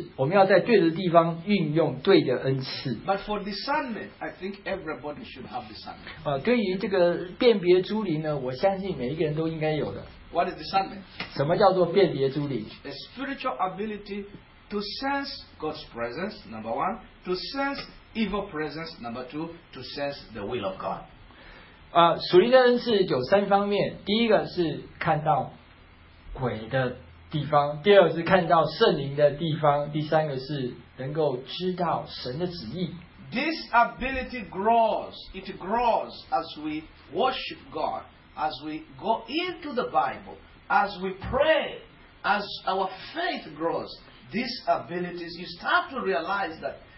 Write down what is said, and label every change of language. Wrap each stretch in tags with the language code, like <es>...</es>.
<zh>我们在一个对的环境里面呢，我们要怎么样去运用上帝给你的恩赐？我们要在对的地方运用对的恩赐。</zh> <en>But for discernment, I think everybody should have discernment.</en> <zh>对于这个辨别诸灵呢，我相信每一个人都应该有的。</zh> <en>What is discernment?</en> <zh>什么叫做辨别诸灵？</zh> <en>A spiritual ability to sense God's presence, number one, to sense evil presence, number two, to sense the will of God.</en> <zh>属灵的恩赐有三方面，第一个是看到鬼的地方，第二个是看到圣灵的地方，第三个是能够知道神的旨意。</zh> <en>This ability grows. It grows as we worship God, as we go into the Bible, as we pray, as our faith grows. These abilities, you start to realize that</en>